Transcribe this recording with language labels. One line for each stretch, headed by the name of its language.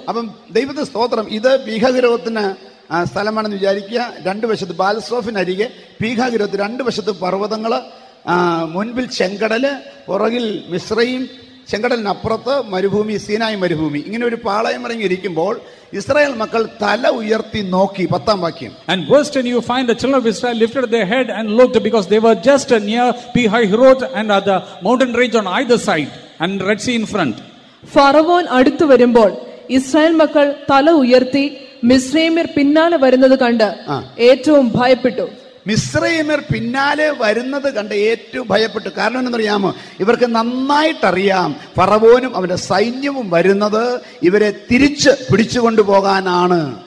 Malayalam: അപ്പം ദൈവത്തെ സ്തോത്രം, ഇത് പീഹ ഹീരോത്തിന് സ്ഥലമാണെന്ന് വിചാരിക്കുക. രണ്ടു വശത്ത് ബാൽസോഫിന് അരികെ പീഹ ഹീരോത്ത്, രണ്ടു വശത്ത് പർവ്വതങ്ങള്, മുൻപിൽ ചെങ്കടല്, പുറകിൽ മിസ്രയും, ചെങ്കടലിനപ്പുറത്ത് മരുഭൂമി, സീനായ് മരുഭൂമി. ഇങ്ങനെ ഒരു പാളയം ഇറങ്ങിയിരിക്കുമ്പോൾ ഇസ്രായേൽ മക്കൾ തല ഉയർത്തി നോക്കി.
English: 10th verse. And first when you find the children of Israel lifted their head and looked because they were just near Piha Hirot and the mountain range on either side and Red Sea in front.
Malayalam: ഫറവോൻ അടുത്തു വരുമ്പോൾ Israel മക്കൾ തല ഉയർത്തി മിസ്രയീമ്യർ പിന്നാലെ വരുന്നത് കണ്ട് ഏറ്റവും ഭയപ്പെട്ടു. മിസ്രയീമ്യർ പിന്നാലെ വരുന്നത് കണ്ട് ഏറ്റവും ഭയപ്പെട്ടു. കാരണം എന്തെന്നറിയാമോ? ഇവർക്ക് നന്നായിട്ടറിയാം ഫറവോനും അവന്റെ സൈന്യവും വരുന്നത് ഇവരെ തിരിച്ച് പിടിച്ചുകൊണ്ടു പോകാനാണ്.